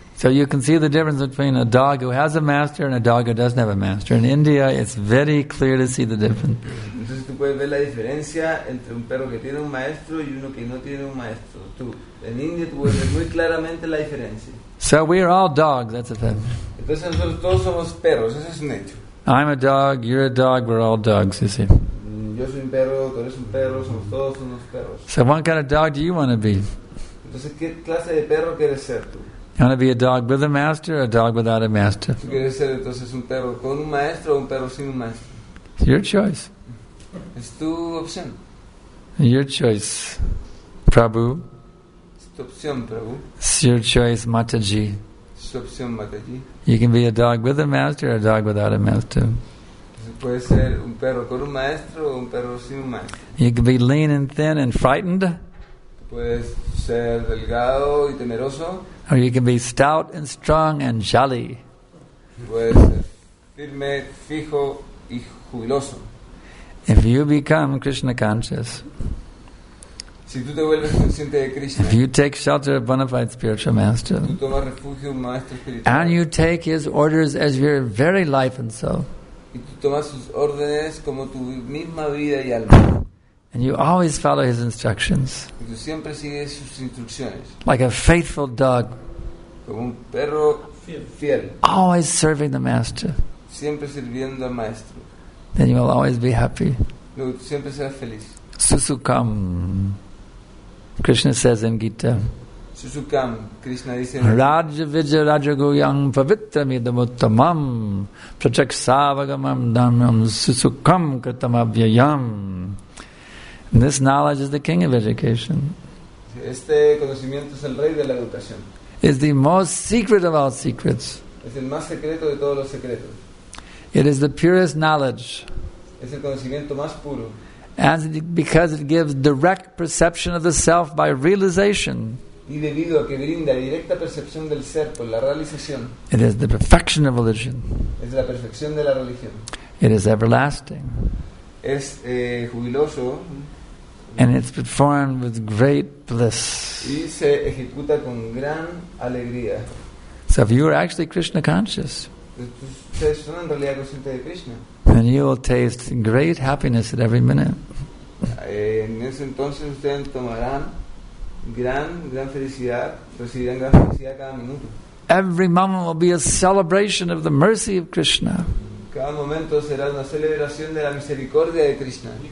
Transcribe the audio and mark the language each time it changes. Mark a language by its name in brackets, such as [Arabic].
[English] So you can see the difference between a dog who has a master and a dog who doesn't have a master. In India, it's very clear to see the difference. [Spanish] Entonces tú puedes ver la diferencia entre un perro que tiene un maestro y uno que no tiene un maestro. Tú, en India, tú puedes ver muy claramente la diferencia. [English] So we are all dogs, that's a fact. [Spanish] Entonces nosotros todos somos perros, eso es un hecho. [English] I'm a dog, you're a dog, we're all dogs, you see. [Spanish] Yo soy un perro, tú eres un perro, somos todos unos perros. [English] So what kind of dog do you want to be? [Spanish] Entonces, ¿qué clase de perro quieres ser tú? [English] You want to be a dog with a master or a dog without a master? [Spanish] ¿Tú quieres ser entonces un perro con un maestro o un perro sin un maestro? [English] It's your choice. [Spanish] Es tu opción. [English] Your choice, Prabhu. [Spanish] Es tu opción, Prabhu. [English] It's your choice, Mataji. [Spanish] Es tu opción, Mataji. [English] You can be a dog with a master or a dog without a master. [Spanish] Puede ser un perro con un maestro o un perro sin un maestro. [English] You can be lean and thin and frightened. [Spanish] Puedes ser delgado y temeroso. [English] Or you can be stout and strong and jolly. [Spanish] Puedes ser firme, fijo y jubiloso. [English] If you become Krishna conscious, [Spanish] si tú te vuelves consciente de Krishna, [English] if you take shelter of bona fide spiritual master, [Spanish] tú tomas refugio un maestro espiritual, [English] and you take his orders as your very life and soul, [Spanish] y tú tomas sus órdenes como tu misma vida y alma, [English] and you always follow his instructions, [Spanish] y tú siempre sigues sus instrucciones, [English] like a faithful dog, [Spanish] como un perro fiel, [English] always serving the master, [Spanish] siempre sirviendo al maestro, [English] then you will always be happy. [Spanish] No, siempre serás feliz. [English] Susukam, Krishna says in Gita. [Spanish] Susukam, Krishna dice. [Sanskrit] Rajavija rajaguyam pavitram idamuttamam prachaksavagamam dhamam susukam kritamavyayam. [English] And this knowledge is the king of education. [Spanish] Este conocimiento es el rey de la educación. [English] Is the most secret of all secrets. [Spanish] Es el más secreto de todos los secretos. [English] It is the purest knowledge. [Spanish] Es el conocimiento más puro. [English] And because it gives direct perception of the self by realization. [Spanish] Y debido a que brinda directa percepción del ser por la realización. [English] It is the perfection of religion. [Spanish] Es la perfección de la religión. [English] It is everlasting. [Spanish] Es jubiloso. [English] And it's performed with great bliss. [Spanish] Y se ejecuta con gran alegría. [English] So if you are actually Krishna conscious, then you will taste great happiness at every minute. [Spanish] En ese entonces ustedes tomarán gran felicidad, recibirán gran felicidad cada minuto. [English] Every moment will be a celebration of the mercy of Krishna. [Spanish] Cada momento será una celebración de la misericordia de Krishna.